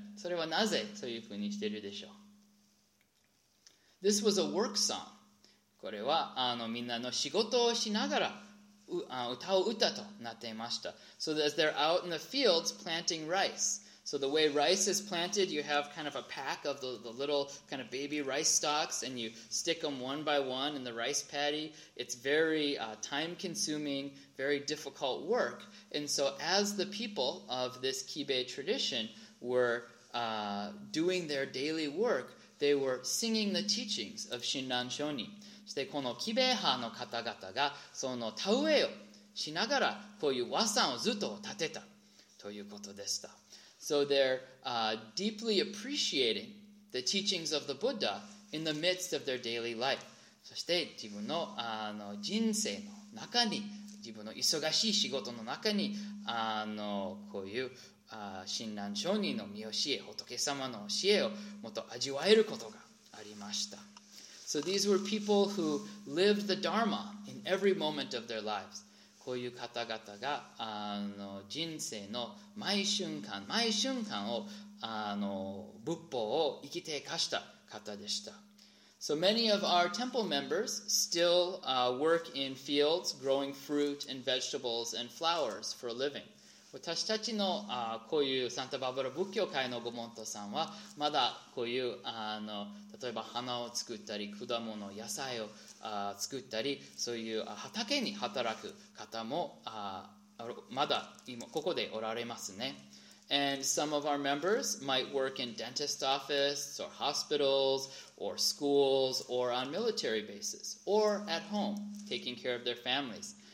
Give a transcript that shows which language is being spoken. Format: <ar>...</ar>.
<ja>それはなぜというふうにしているでしょう?</ja> <en>This was a work song.</en> <ja>これはみんなの仕事をしながら歌う歌となっていました。</ja> <en>So as they're out in the fields planting rice. So the way rice is planted, you have kind of a pack of the little kind of baby rice stalks and you stick them one by one in the rice paddy. It's very time consuming, very difficult work. And so as the people of this Kibei tradition were doing their daily work, they were singing the teachings of Shinran Shonin.</en> <ja>そしてこのキベハの方々がその田植えをしながらこういう和算をずっと立てたということでした。</ja> <en>So they're deeply appreciating the teachings of the Buddha in the midst of their daily life.</en> <ja>そして自分の、人生の中に、自分の忙しい仕事の中に、こういう親鸞聖人の御教え、仏様の教えをもっと味わえることがありました。</ja> <en>So these were people who lived the Dharma in every moment of their lives.</en> <ja>こういう方々が人生の毎瞬間、毎瞬間を仏法を生きて活かした方でした。</ja> <en>So many of our temple members still work in fields growing fruit and vegetables and flowers for a living.</en> <ja>私たちの、こういうサンタバーバラ仏教会のご門徒さんはまだこういう例えば花を作ったり果物、野菜を作ったりそういう畑に働く方もまだ今ここでおられますね。</ja> <en>And some of our members might work in dentist offices or hospitals or schools or on military bases or at home taking care of their families.</en>